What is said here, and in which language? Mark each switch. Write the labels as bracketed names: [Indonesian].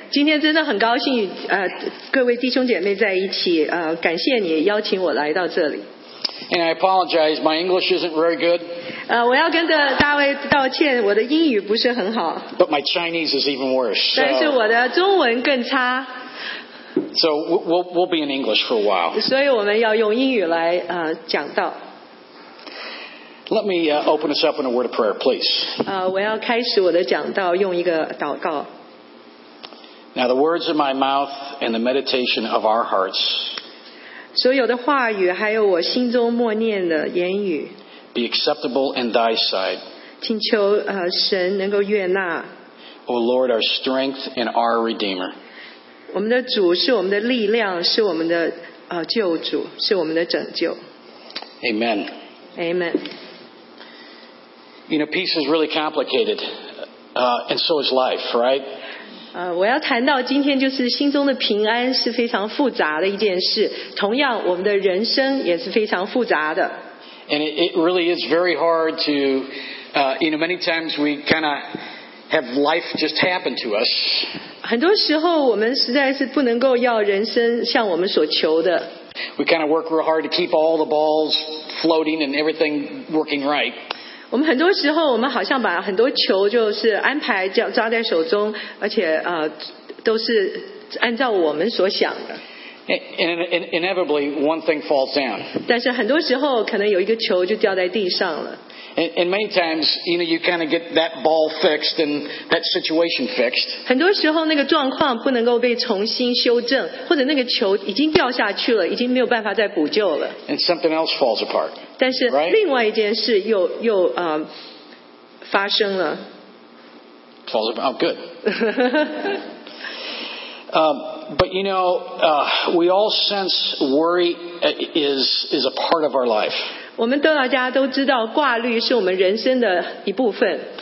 [Chinese] 今天真的很高兴，各位弟兄姐妹在一起，感谢你邀请我来到这里。 [English] And I apologize, my English isn't very good. [Chinese] 我要跟大卫道歉，我的英语不是很好。 [English] But my Chinese is even worse. [Chinese] 但是我的中文更差。 [English] So we'll be in English for a while. [Chinese] 所以我们要用英语来讲道。 [English] Let me open us up in a word of prayer, please. [Chinese] 我要开始我的讲道，用一个祷告。 [English] Now the words of my mouth and the meditation of our hearts. [Chinese] 所有的话语还有我心中默念的言语。 [English] Be acceptable in thy sight. [Chinese] 请求神能够悦纳。 [English] O Lord, our strength and our redeemer. [Chinese] 我们的主是我们的力量，是我们的救主，是我们的拯救。 [English] Amen. Amen. You know, peace is really complicated, and so is life, right? [Chinese] 我要谈到今天就是心中的平安是非常复杂的一件事。同样，我们的人生也是非常复杂的。 [English] And it really is very hard to, you know, many times we kind of have life just happen to us. [Chinese] 很多时候我们实在是不能够要人生像我们所求的。 [English] We kind of work real hard to keep all the balls floating and everything working right. [Chinese] 我们很多时候，我们好像把很多球就是安排抓在手中，而且都是按照我们所想的。 [English] Inevitably, one thing falls down. [Chinese] 但是很多时候，可能有一个球就掉在地上了。 [English] And many times, you know, you kind of get that ball fixed and that situation fixed. [Chinese] 很多时候，那个状况不能够被重新修正，或者那个球已经掉下去了，已经没有办法再补救了。 [English] And something else falls apart. [Chinese] 但是另外一件事又发生了。 [English] Falls apart. Oh, good. But you know, we all sense worry is a part of our life. [Chinese] 我们大家都知道挂虑是我们人生的一部分。